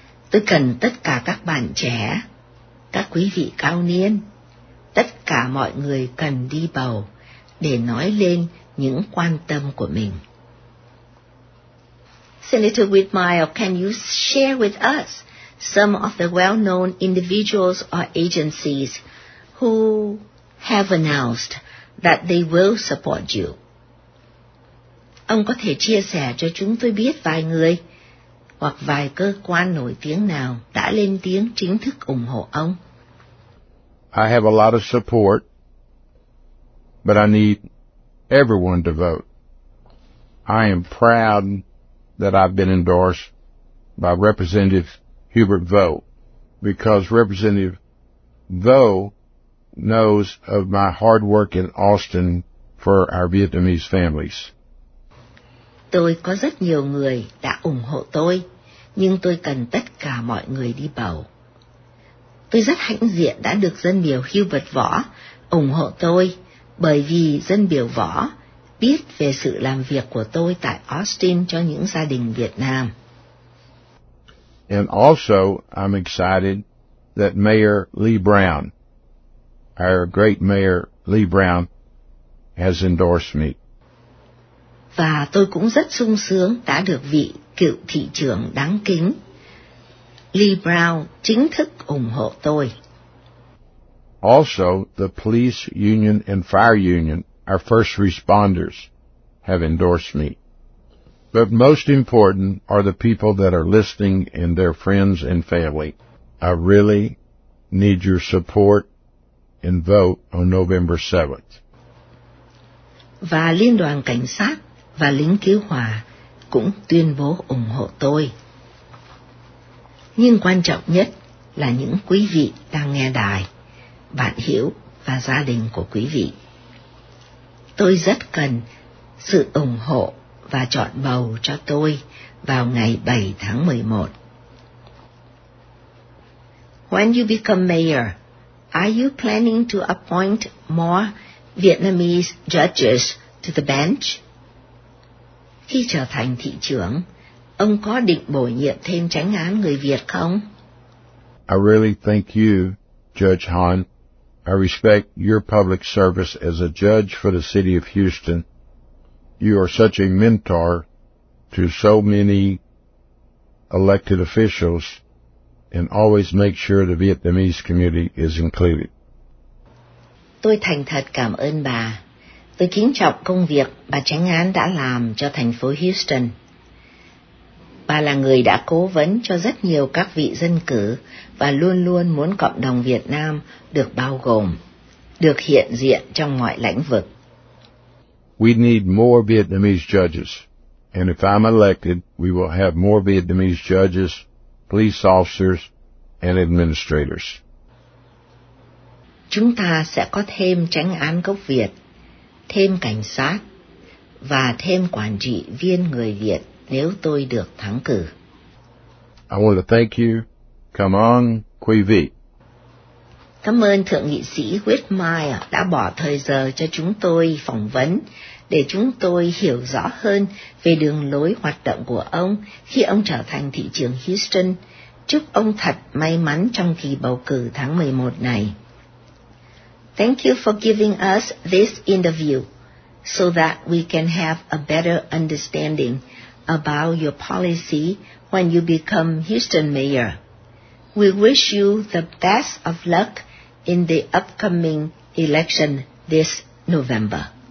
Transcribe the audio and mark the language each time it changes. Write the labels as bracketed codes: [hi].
[vi] Tôi cần tất cả các bạn trẻ, các quý vị cao niên, tất cả mọi người cần đi bầu để nói lên những quan tâm của mình. [en] Senator Whitmire, can you share with us some of the well-known individuals or agencies who have announced that they will support you? [vi] Ông có thể chia sẻ cho chúng tôi biết vài người hoặc vài cơ quan nổi tiếng nào đã lên tiếng chính thức ủng hộ ông? [en] I have a lot of support, but I need everyone to vote. I am proud that I've been endorsed by Representative Hubert Vo, because Representative Vo knows of my hard work in Austin for our Vietnamese families. [vi] Tôi có rất nhiều người đã ủng hộ tôi, nhưng tôi cần tất cả mọi người đi bầu. Tôi rất hãnh diện đã được dân biểu Hubert Võ ủng hộ tôi bởi vì dân biểu Võ biết về sự làm việc của tôi tại Austin cho những gia đình Việt Nam. [en] And also, I'm excited that Mayor Lee Brown, our great Mayor Lee Brown, has endorsed me. [vi] Và tôi cũng rất sung sướng đã được vị cựu thị trưởng đáng kính Lee Brown chính thức ủng hộ tôi. [en] Also, the police union and fire union, our first responders, have endorsed me. But most important are the people that are listening and their friends and family. I really need your support and vote on November 7th. [vi] Và Liên đoàn Cảnh sát và lính cứu hỏa cũng tuyên bố ủng hộ tôi. Nhưng quan trọng nhất là những quý vị đang nghe đài, bạn hiểu và gia đình của quý vị. Tôi rất cần sự ủng hộ và chọn bầu cho tôi vào ngày 7 tháng 11. [en] When you become mayor, are you planning to appoint more Vietnamese judges to the bench? [vi] Khi trở thành thị trưởng, ông có định bổ nhiệm thêm chánh án người Việt không? [en] I really thank you, Judge Han. I respect your public service as a judge for the city of Houston. You are such a mentor to so many elected officials and always make sure the Vietnamese community is included. [vi] Tôi thành thật cảm ơn bà. Tôi kính trọng công việc bà chánh án đã làm cho thành phố Houston. Bà là người đã cố vấn cho rất nhiều các vị dân cử và luôn luôn muốn cộng đồng Việt Nam được bao gồm, được hiện diện trong mọi lĩnh vực. [en] We need more Vietnamese judges, and if I'm elected, we will have more Vietnamese judges, police officers, and administrators. [vi] Chúng ta sẽ có thêm chánh án gốc Việt, thêm cảnh sát, và thêm quản trị viên người Việt. Nếu tôi được thắng cử. [en] I want to thank you. Come on, [vi] quý vị. Cảm ơn Thượng nghị sĩ Whitmire đã bỏ thời giờ cho chúng tôi phỏng vấn để chúng tôi hiểu rõ hơn về đường lối hoạt động của ông khi ông trở thành thị trưởng Houston. Chúc ông thật may mắn trong kỳ bầu cử tháng 11 này. [en] Thank you for giving us this interview so that we can have a better understanding about your policy when you become Houston mayor. We wish you the best of luck in the upcoming election this November.